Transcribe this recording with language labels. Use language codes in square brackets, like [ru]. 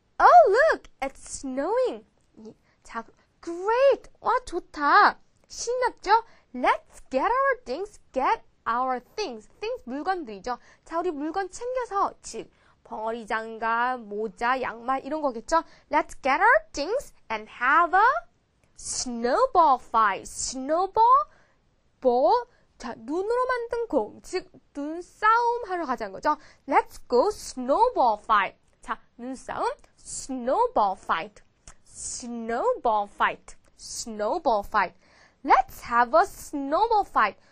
[en] Oh, look! It's snowing. 자, great! [ko] 와, 좋다. 신났죠? [en] Let's get our things. Get our things. Things, [ko] 물건들이죠. 자, 우리 물건 챙겨서, 즉, 벙어리 장갑, 모자, 양말 이런 거겠죠? [en] Let's get our things and have a snowball fight. Snowball ball. [ko] 자, 눈으로 만든 공, 즉, 눈싸움 하러 가자는 거죠. [en] Let's go snowball fight. [ko] 자, 눈싸움, [en] snowball fight. Snowball fight. Snowball fight. Let's have a snowball fight.